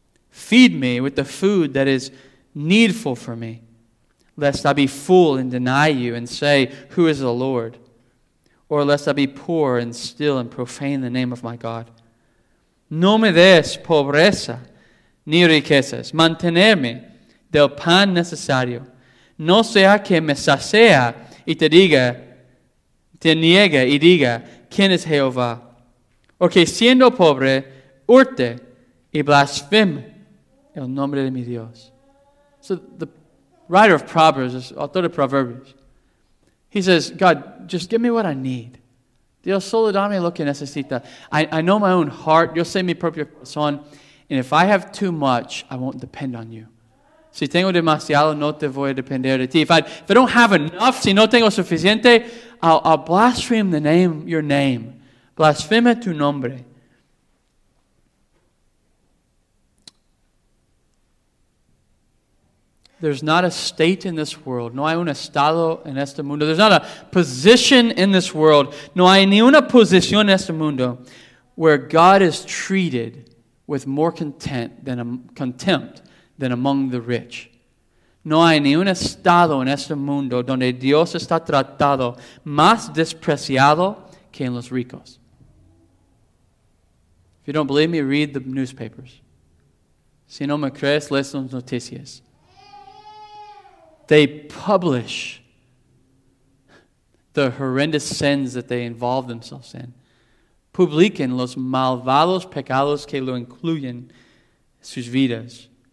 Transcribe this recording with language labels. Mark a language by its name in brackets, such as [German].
[English] Feed me with the food that is needful for me, lest I be full and deny you and say, who is the Lord? Or lest I be poor and still and profane the name of my God. [Spanish] No me des pobreza, ni riquezas, mantenerme del pan necesario. No sea que me sacia y te diga, te niega y diga, ¿quién es Jehová? O que siendo pobre, hurte y blasfeme el nombre de mi Dios. [English] So the writer of Proverbs, author of Proverbs, he says, God, just give me what I need. [Spanish] Dios, solo dame lo que necesita. [English] I know my own heart. [Spanish] Yo sé mi propio corazón. [English] And if I have too much, I won't depend on you. [Spanish] Si tengo demasiado, no te voy a depender de ti. [English] If I don't have enough, [Spanish] si no tengo suficiente, [English] I'll blaspheme the name, your name. [Spanish] Blasfeme tu nombre. [English] There's not a state in this world. [Spanish] No hay un estado en este mundo. [English] There's not a position in this world. [Spanish] No hay ni una posición en este mundo [English] where God is treated with more contempt than among the rich. [Spanish] No hay ni un estado en este mundo donde Dios está tratado más despreciado que en los ricos. [English] If you don't believe me, read the newspapers. [Spanish] Si no me crees, lee las noticias. [English] They publish the horrendous sins that they involve themselves in. [Spanish] Publican los malvados pecados que lo incluyen sus vidas.